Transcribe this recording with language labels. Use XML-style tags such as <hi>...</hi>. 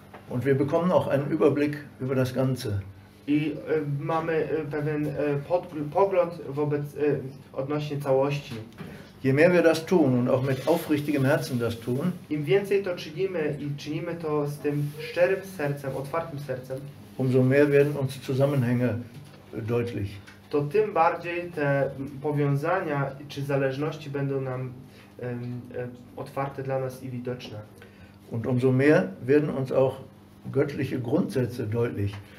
<de>Und wir bekommen auch einen Überblick über das Ganze.</de> <pl>I mamy pewien pogląd wobec odnośnie całości.</pl> <de>Je mehr wir das tun und auch mit aufrichtigem Herzen das tun,</de> <pl>im więcej to czynimy i czynimy to z tym szczerym sercem, otwartym sercem,</pl> <de>umso mehr werden uns Zusammenhänge deutlich.</de> <pl>To tym bardziej te powiązania czy zależności będą nam otwarte dla nas i widoczne.</pl> <de>Und umso mehr werden uns auch göttliche Grundsätze deutlich.</de>